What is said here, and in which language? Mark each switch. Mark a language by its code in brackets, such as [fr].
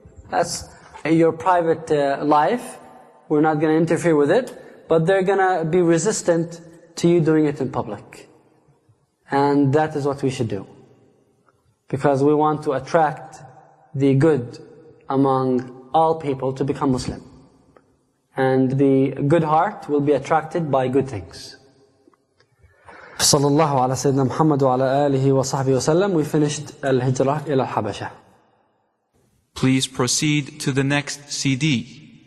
[en] That's your private life, we're not going to interfere with it, but they're going to be resistant to you doing it in public. And that is what we should do. Because we want to attract the good among all people to become Muslim. And the good heart will be attracted by good things. [ar] صلى الله على سيدنا محمد وعلى آله وصحبه وسلم. [en] We finished [ar] الهجرة إلى الحبشة. [en] Please proceed to the next CD.